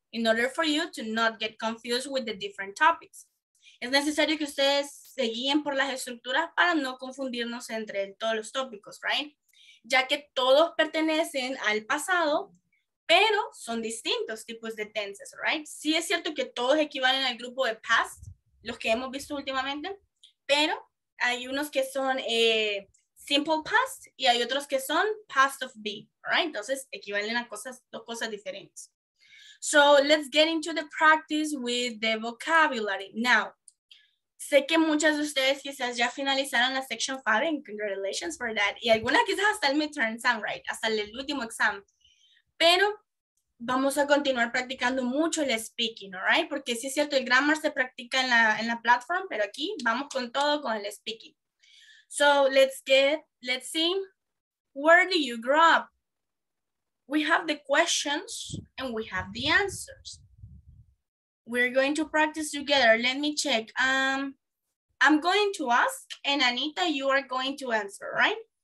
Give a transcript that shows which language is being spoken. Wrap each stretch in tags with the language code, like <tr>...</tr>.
<en>In order for you to not get confused with the different topics.</en> <es>Es necesario que ustedes se guíen por las estructuras para no confundirnos entre todos los tópicos, right? Ya que todos pertenecen al pasado, pero son distintos tipos de tenses, right? Sí es cierto que todos equivalen al grupo de past, los que hemos visto últimamente, pero hay unos que son simple past y hay otros que son past of be, right? Entonces, equivalen a cosas, dos cosas diferentes.</es> <en>So, let's get into the practice with the vocabulary.</en> <es>Now, sé que muchas de ustedes quizás ya finalizaron la section 5,</es> <en>and congratulations for that.</en> <es>Y algunas quizás hasta el midterm exam, right? Hasta el último exam. Pero vamos a continuar practicando mucho el speaking, all right? Porque sí es cierto, el grammar se practica en la platform, pero aquí vamos con todo con el speaking.</es> <en>So let's see, where do you grow up? We have the questions and we have the answers. We're going to practice together. Let me check. I'm going to ask and Anita, you are going to answer, right?</en>